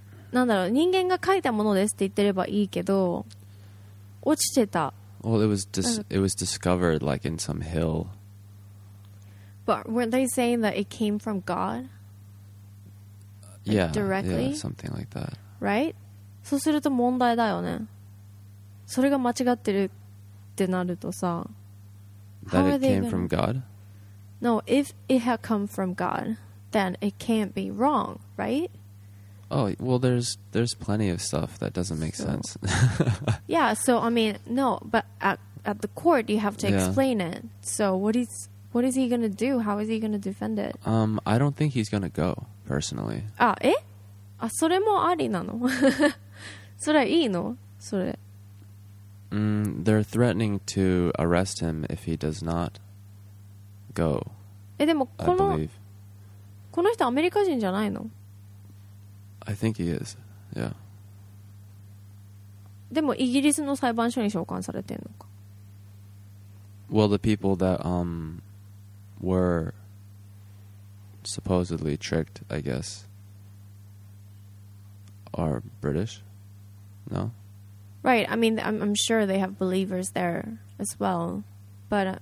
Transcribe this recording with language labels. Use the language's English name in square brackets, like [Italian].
[Japanese] なんだろう、人間が書いたものですって言ってればいいけど、落ちてた。 [English] Well, it was discovered, like, in some hill. But weren't they saying that it came from God? Like, yeah. Directly? Yeah, something like that. Right? [Japanese] そうすると問題だよね。それが間違ってるってなるとさ、 [English] That it came from God? No, if it had come from God, then it can't be wrong, right? Oh, well, there's plenty of stuff that doesn't make sense. Yeah, so, I mean, no, but at the court, you have to explain it. So what is he going to do? How is he going to defend it? I don't think he's going to go, personally. [Japanese] Ah, eh? Ah, それもありなの?それいいの?それ。 [English] They're threatening to arrest him if he does not go. [Japanese] え、でもこの、 [English] I believe. [Japanese] この人アメリカ人じゃないの? [English] I think he is, yeah. [Japanese] でもイギリスの裁判所に召喚されてんのか? [English] Well, the people that were supposedly tricked, I guess, are British? No? Right, I mean, I'm sure they have believers there as well, but